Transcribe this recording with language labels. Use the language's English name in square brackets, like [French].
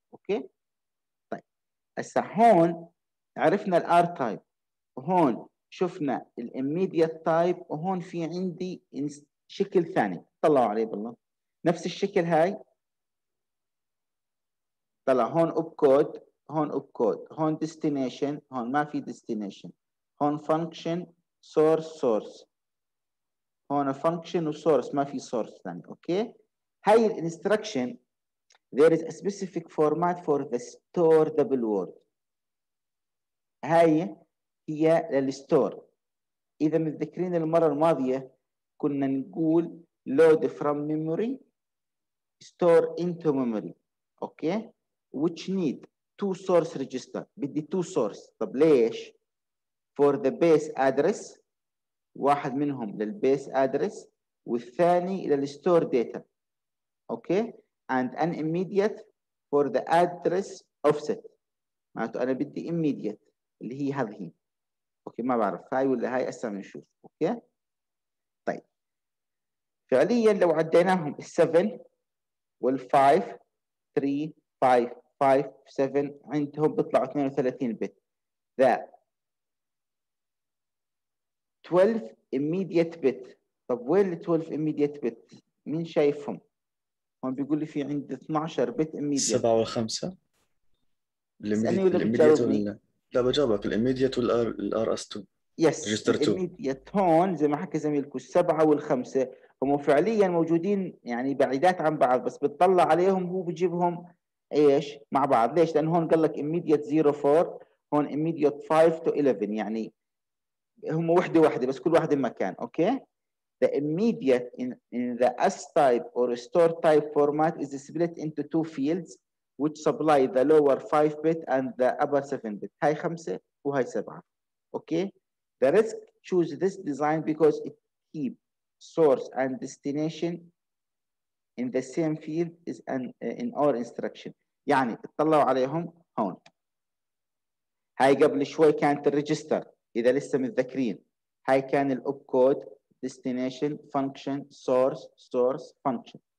[Arabic] أوكي طيب هسه هون عرفنا الار تايب, وهون شفنا الاميديت تايب, وهون في عندي شكل ثاني طلعوا عليه بالله نفس الشكل هاي. طلع هون اوب كود, هون اوب كود, هون ديستنيشن, هون ما في ديستنيشن, هون فانكشن سورس سورس, هون فانكشن وسورس ما في سورس ثاني. اوكي هاي الانستركشن [English] there is a specific format for the store double word. [Arabic] هاي هي للستور. اذا متذكرين المره الماضيه كنا نقول [English] load from memory store into memory. Okay which need two source register, [Arabic] بدي [English] two source. [Arabic] طب ليش؟ [English] for the base address, [Arabic] واحد منهم للbase address والثاني للstore data. [English] Okay and an immediate for the address offset. [Arabic] معناته انا بدي immediate اللي هي هذه. اوكي ما بعرف هاي ولا هاي هسه بنشوف. اوكي طيب فعليا لو عديناهم ال7 وال5 3 5 5 7 عندهم بيطلع 32 بت. [English] The 12 immediate bit. [Arabic] طب وين ال 12 immediate bit؟ مين شايفهم؟ هون بيقول لي في عند 12 بت immediate. 7 و5 immediate. لا بجاوبك الimmediate والار الار اس 2 يس ريجستر 2 immediate. هون زي ما حكى زميلكم 7 وال5 هم فعليا موجودين يعني بعيدات عن بعض, بس بتطلع عليهم هو بجيبهم ايش مع بعض. ليش؟ لان هون قال لك immediate 04 هون immediate 5 to 11 يعني هم وحده وحده بس كل واحد مكان. [English] Okay the immediate in the S type or store type format is split into two fields which supply the lower 5 bit and the upper 7 bit. [Arabic] هاي 5 وهاي 7. [English] Okay the RISC choose this design because it keep source and destination in the same field is an in our instruction. [Arabic] يعني اطلعوا عليهم هون هاي قبل شوي كانت الريجستر اذا لسه متذكرين. هاي كان الاوب كود destination function source source function.